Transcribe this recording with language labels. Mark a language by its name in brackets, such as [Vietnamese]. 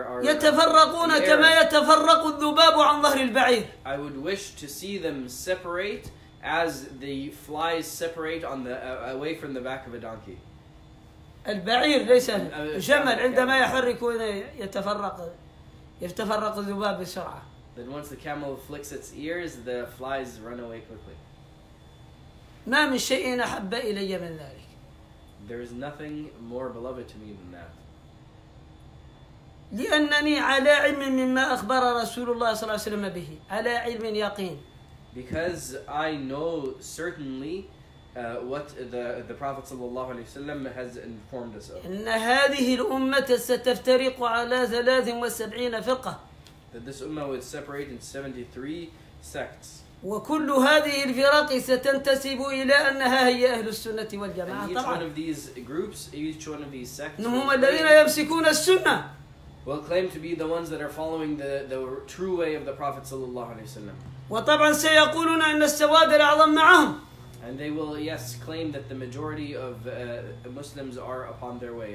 [Arabic] يتفرقون كما يتفرق الذباب عن ظهر البعير. [English] I would wish to see them separate as the flies separate on the away from the back of a donkey. [Arabic] البعير ليس جمل عندما يحرك يتفرق. يتفرق الذباب بسرعة. [English] Then once the camel flicks its ears, the flies run away quickly. [Arabic] ما من شيء أحب إلي من ذلك. [English] There is nothing more beloved to me than that. [Arabic] لأنني على علم مما أخبر رسول الله صلى الله عليه وسلم به، على علم يقين. [English] Because I know certainly what the Prophet صلى الله عليه وسلم has informed us of. [Arabic] إن هذه الأمة ستفترق على 73 فرقة. [English] That this ummah would separate in 73 sects. [Arabic] وكل هذه الفرق ستنتسب إلى أنها هي أهل السنة والجماعة. [English] And each one of these groups, each one of these sects. [Arabic] هم الذين يمسكون السنة. [English] Will claim to be the ones that are following the true way of the Prophet صلى الله عليه وسلم. [Arabic] وطبعا سيقولون أن السواد الأعظم معهم. [English] And they will, yes, claim that the majority of Muslims are upon their way.